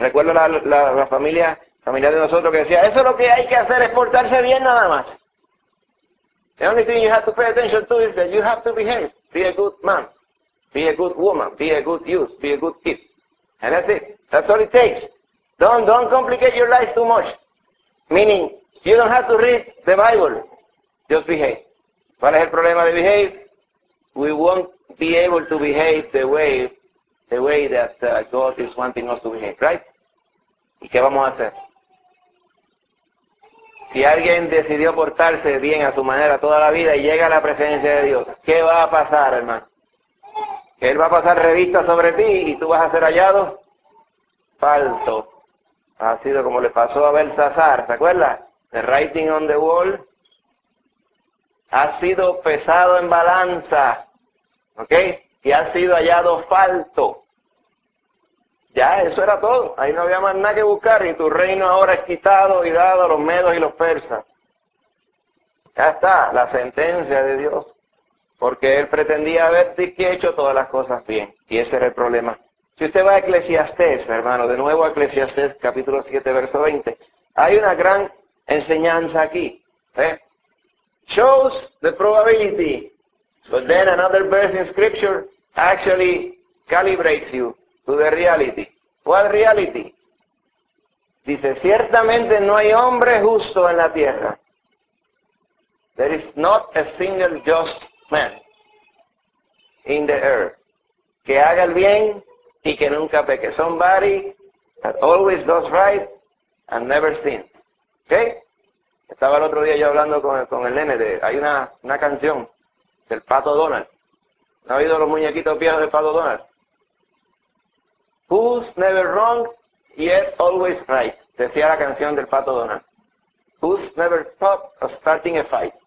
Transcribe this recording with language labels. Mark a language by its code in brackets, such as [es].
[es] Recuerdo la familia de nosotros que decía, eso es lo que hay que hacer, es portarse bien nada más. [en] The only thing you have to pay attention to is that you have to behave. Be a good man. Be a good woman. Be a good youth. Be a good kid. And that's it. That's all it takes. Don't complicate your life too much. Meaning, you don't have to read the Bible. Just behave. [es] ¿Cuál es el problema de [en] behave? We won't be able to behave the way that God is wanting us to behave, right? [es] ¿Y qué vamos a hacer? Si alguien decidió portarse bien a su manera toda la vida y llega a la presencia de Dios, ¿qué va a pasar, hermano? Él va a pasar revista sobre ti y tú vas a ser hallado falso. Ha sido como le pasó a Belsasar, ¿se acuerda? [en] The writing on the wall [es] ha sido pesado en balanza, ¿ok? Y ha sido hallado falto. Ya, eso era todo. Ahí no había más nada que buscar y tu reino ahora es quitado y dado a los medos y los persas. Ya está la sentencia de Dios. Porque él pretendía haber hecho todas las cosas bien. Y ese era el problema. Si usted va a Eclesiastés, hermano, de nuevo a Eclesiastés, capítulo 7, verso 20. Hay una gran enseñanza aquí. ¿Eh? [en] Shows the probability. But then another verse in scripture actually calibrates you to the reality. What reality? [es] Dice, ciertamente no hay hombre justo en la tierra. [en] There is not a single just man in the earth. [es] Que haga el bien y que nunca peque. [en] Somebody that always does right and never sin. ¿Okay? [es] Estaba el otro día yo hablando con el nene de, hay una canción del Pato Donald. ¿No ha oído los muñequitos viejos del Pato Donald? [en] Who's never wrong, yet always right. [es] Decía la canción del Pato Donald. [en] Who's never stop of starting a fight.